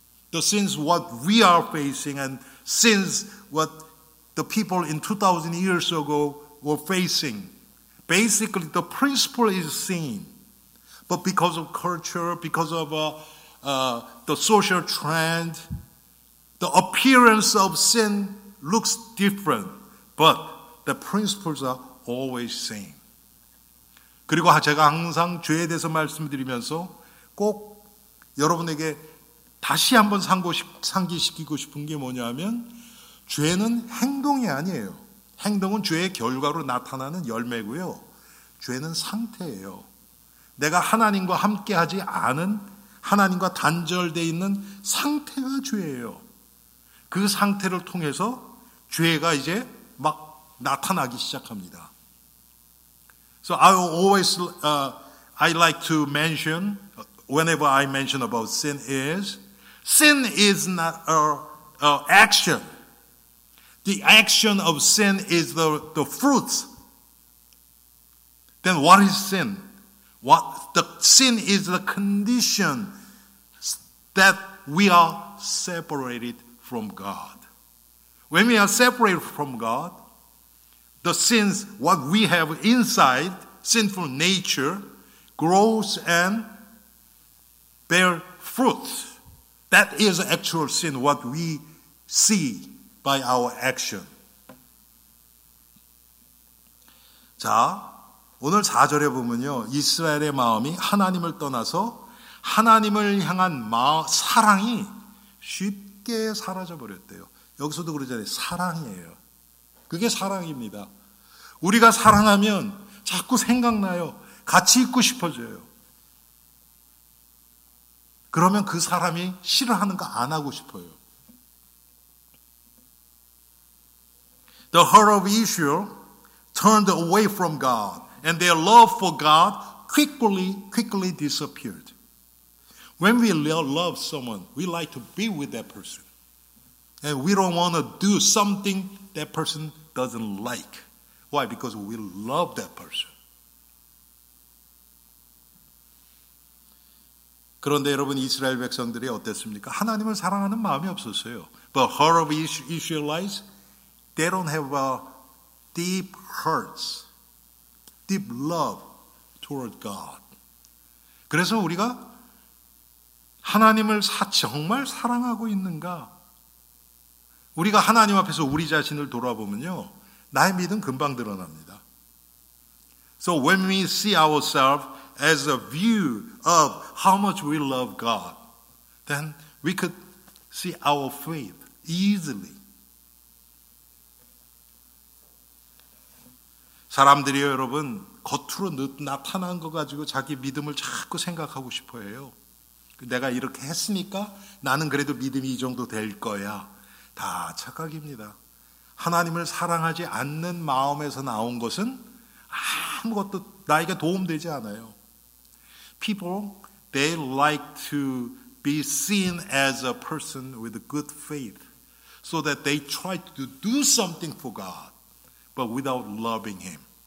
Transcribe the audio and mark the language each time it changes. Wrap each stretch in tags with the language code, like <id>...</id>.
<en>The sins what we are facing and sins what the people in 2000 years ago were facing. Basically, the principle is seen. But because of culture, because of the social trend, the appearance of sin looks different. But the principles are always same.</en> <ko>그리고 제가 항상 죄에 대해서 말씀드리면서 꼭 여러분에게 다시 한번 상기시키고 싶은 게 뭐냐면 죄는 행동이 아니에요. 행동은 죄의 결과로 나타나는 열매고요. 죄는 상태예요. 내가 하나님과 함께하지 않은, 하나님과 단절되어 있는 상태가 죄예요. 그 상태를 통해서 죄가 이제 막 나타나기 시작합니다.</ko> <en>So I always I like to mention whenever I mention about sin is not an action. The action of sin is the fruit. Then what is sin? What the sin is the condition that we are separated from God. When we are separated from God, the sins, what we have inside, sinful nature, grows and bear fruit. That is actual sin, what we see by our action.</en> <ko>자, 오늘 4절에 보면요, 이스라엘의 마음이 하나님을 떠나서 하나님을 향한 사랑이 쉽게 사라져버렸대요. 여기서도 그러잖아요. 사랑이에요. 그게 사랑입니다. 우리가 사랑하면 자꾸 생각나요. 같이 있고 싶어져요. 그러면 그 사람이 싫어하는 거 안 하고 싶어요.</ko> <en>The heart of Israel turned away from God. And their love for God quickly disappeared. When we love someone, we like to be with that person. And we don't want to do something that person doesn't like. Why? Because we love that person.</en> <ko>그런데 여러분, 이스라엘 백성들이 어땠습니까? 하나님을 사랑하는 마음이 없었어요.</ko> <en>But heart of Israelites, they don't have a deep hearts. Deep love toward God.</en> <ko>그래서 우리가 하나님을 정말 사랑하고 있는가? 우리가 하나님 앞에서 우리 자신을 돌아보면요, 나의 믿음 금방 드러납니다.</ko> <en>So when we see ourselves as a view of how much we love God, then we could see our faith easily.</en> <ko>사람들이요, 여러분, 겉으로 나타난 거 가지고 자기 믿음을 자꾸 생각하고 싶어 해요. 내가 이렇게 했으니까 나는 그래도 믿음이 이 정도 될 거야. 다 착각입니다. 하나님을 사랑하지 않는 마음에서 나온 것은 아무것도 나에게 도움되지 않아요.</ko> <en>People, they like to be seen as a person with good faith. so that they try to do something for God, but without loving him.</en>